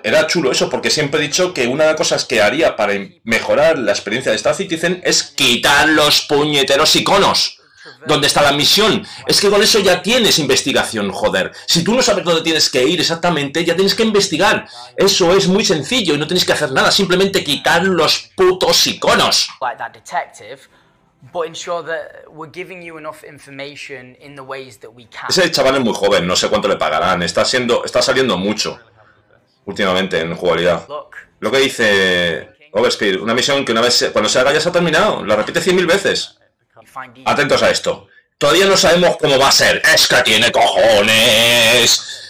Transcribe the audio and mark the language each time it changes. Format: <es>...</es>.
<es>Era chulo eso, porque siempre he dicho que una de las cosas que haría para mejorar la experiencia de Star Citizen es quitar los puñeteros iconos. ¿Dónde está la misión? Es que con eso ya tienes investigación, joder. Si tú no sabes dónde tienes que ir exactamente, ya tienes que investigar. Eso es muy sencillo y no tienes que hacer nada, simplemente quitar los putos iconos.</es> <en>Like that detective, but ensure that we're giving you enough information in the ways that we can.</en> <es>Ese chaval es muy joven, no sé cuánto le pagarán. Está saliendo mucho últimamente en jugabilidad. Lo que dice Overspeed, una misión que una vez cuando se haga ya se ha terminado, la repite 100.000 veces. Atentos a esto. Todavía no sabemos cómo va a ser. ¡Es que tiene cojones!</es>